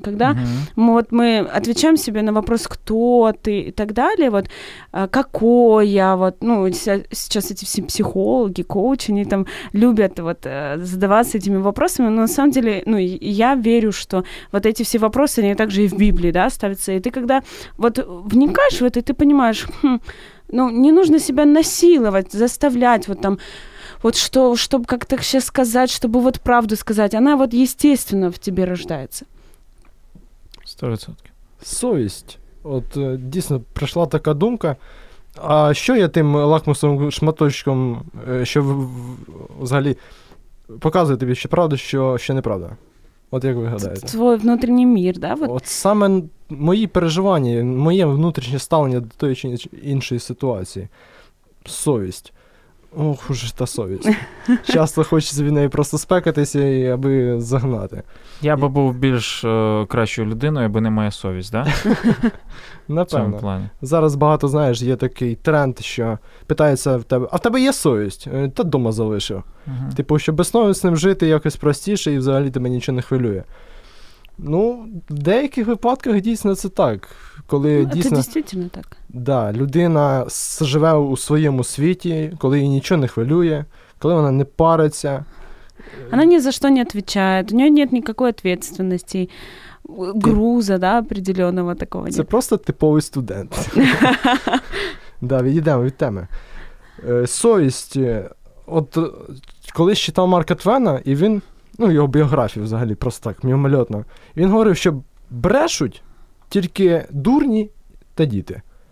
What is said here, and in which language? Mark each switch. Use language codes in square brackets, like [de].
[ru] Когда мы, вот, мы отвечаем себе на вопрос, кто ты и так далее, вот, какой я, вот, ну, сейчас эти все психологи, коучи, они там любят вот задаваться этими вопросами, но на самом деле, ну, я верю, что вот эти все вопросы, они также и в Библии, да, ставятся, и ты когда вот вникаешь в это, ты понимаешь, ну, не нужно себя насиловать, заставлять вот там, вот что, чтобы как-то сейчас сказать, чтобы вот правду сказать, она вот естественно в тебе рождается. 100%. Совесть. [uk] Вот дійсно прийшла така думка, а що я тим лакмусовим шматочком, що взагалі показує тобі, що правда, що ще неправда? От як ви гадаєте? Твій внутрішній мір, да? Вот. От саме мої переживання, моє внутрішнє ставлення до тої чи іншої ситуації. Совість. Ох, уже та совість. Часто хочеться від неї просто спекатися, і аби загнати. Я би був більш кращою людиною, аби не моя совість, да? Напевно. В плані. Зараз багато, знаєш, є такий тренд, що питається в тебе, а в тебе є совість? Та дома залишив. Uh-huh. Типу, щоб безсовісним жити якось простіше, і взагалі тебе нічого не хвилює. Ну, в деяких випадках дійсно це так. Коли ну, дійсно, це дійсно так. Да, людина живе у своєму світі, коли її нічого не хвилює, коли вона не париться. [ru] Она ни за что не отвечает, у нее нет никакой ответственности, груза, да, определенного такого нет. Это просто типовый студент. Да, идем от темы. Совесть, вот, когда я читал Марка Твена, и он, ну, его биографию взагалі, просто так, мимолетно, он говорил, что брешут только дурни и дети.